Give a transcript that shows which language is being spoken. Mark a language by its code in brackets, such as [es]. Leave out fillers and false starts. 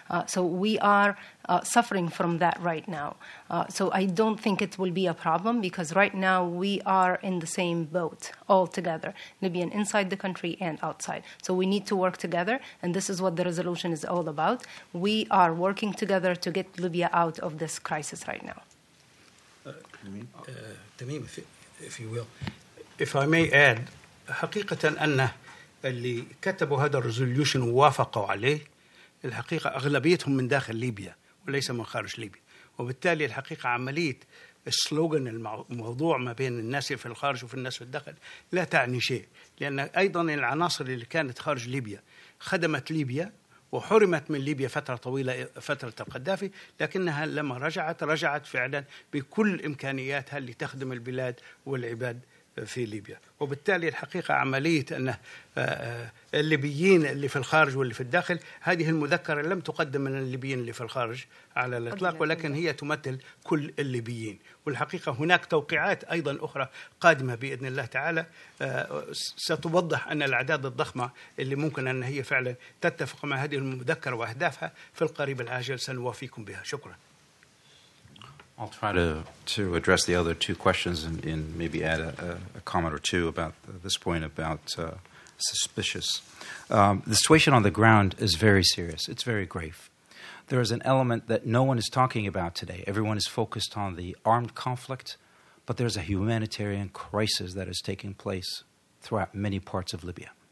[en] So we are suffering from that right now. So I don't think it will be a problem, because right now we are in the same boat all together, Libyan inside the country and outside. So we need to work together, and this is what the resolution is all about. We are working together to get Libya out of this crisis right now. [ar] تميم، [en] if you will, if I may add، [ar] حقيقة أن اللي كتبوا هذا الرزوليوشن ووافقوا عليه الحقيقة أغلبيتهم من داخل ليبيا وليس من خارج ليبيا، وبالتالي الحقيقة عملية السلوغن الموضوع ما بين الناس في الخارج وفي الناس في الداخل لا تعني شيء، لأن أيضا العناصر اللي كانت خارج ليبيا خدمت ليبيا وحرمت من ليبيا فترة طويلة، فترة القدافي، لكنها لما رجعت فعلا بكل إمكانياتها لتخدم البلاد والعباد في ليبيا. وبالتالي الحقيقة عملية أن الليبيين اللي في الخارج واللي في الداخل، هذه المذكرة لم تقدم من الليبيين اللي في الخارج على الإطلاق، ولكن هي تمثل كل الليبيين. والحقيقة هناك توقيعات أيضا أخرى قادمة بإذن الله تعالى ستوضح أن الأعداد الضخمة اللي ممكن أن هي فعلا تتفق مع هذه المذكرة وأهدافها في القريب العاجل سنوافيكم بها. شكرا. [en] I'll try to address the other two questions and maybe add a comment or two about this point about suspicious. The situation on the ground is very serious. It's very grave. There is an element that no one is talking about today. Everyone is focused on the armed conflict, but there's a humanitarian crisis that is taking place throughout many parts of Libya.